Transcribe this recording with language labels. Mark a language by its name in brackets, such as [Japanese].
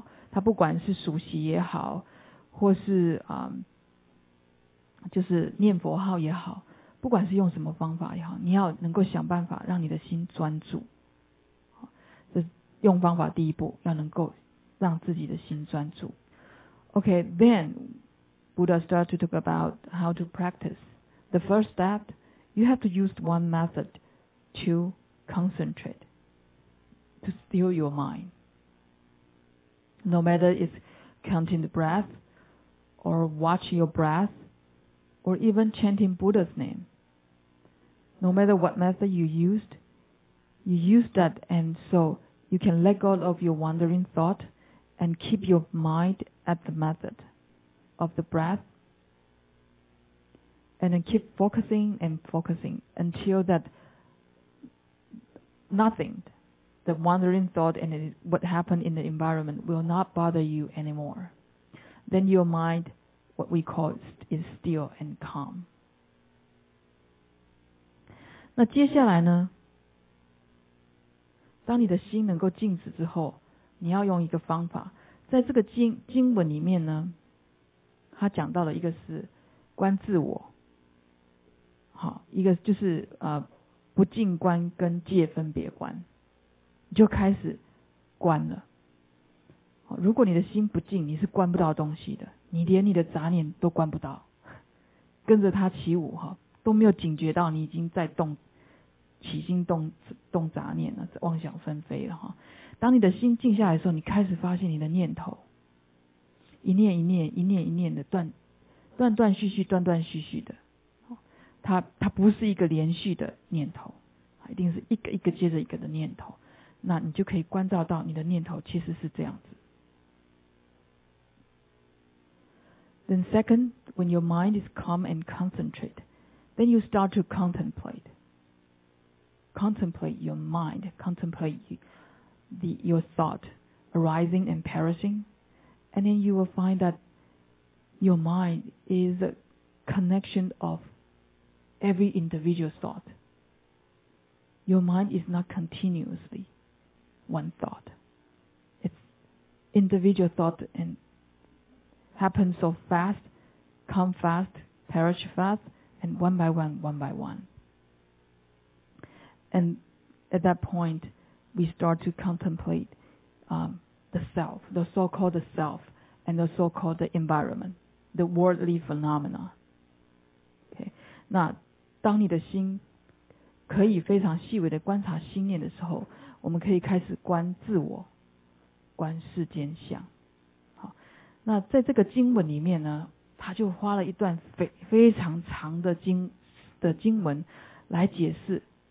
[Chinese] 他不管是熟悉也好，或是就是念佛号也好，不管是用什么方法也好，你要能够想办法让你的心专注。这用方法第一步，要能够让自己的心专注。 [English] Okay, then Buddha started to talk about how to practice. The first step, you have to use one method to concentrate, to still your mind. No matter it's counting the breath, or watching your breath, or even chanting Buddha's name. No matter what method you use that, and so you can let go of your wandering thought and keep your mind at the method of the breath, and then keep focusing and focusing until that nothing, the wandering thought and what happened in the environment will not bother you anymore. Then your mind, what we call, is still and calm. [Chinese] 那接下来呢，当你的心能够静止之后，你要用一个方法。在这个 经文里面呢，他讲到了一个是观自我，好，一个就是不净观跟戒分别观，你就开始观了。好，如果你的心不静，你是观不到东西的，你连你的杂念都观不到，跟着他起舞，好，都没有警觉到你已经在动起心 动杂念了，妄想纷飞了。当你的心静下来的时候，你开始发现你的念头一念一念一念一念的断断续续断断续续的， 它不是一个连续的念头，一定是一个一个接着一个的念头，那你就可以观照到你的念头其实是这样子。 [English] Then second, when your mind is calm and concentrate, then you start to contemplateContemplate your mind, contemplate your thought arising and perishing, and then you will find that your mind is a connection of every individual thought. Your mind is not continuously one thought. It's individual thought and happens so fast, come fast, perish fast, and one by one, one by one. And at that point, we start to contemplate, the self, the so-called self, and the so-called environment, the worldly phenomena. [Chinese] Okay, 那当你的心可以非常细微的观察心念的时候，我们可以开始观自我，观世间相。好，那在这个经文里面呢，他就花了一段非常长的经文来解释。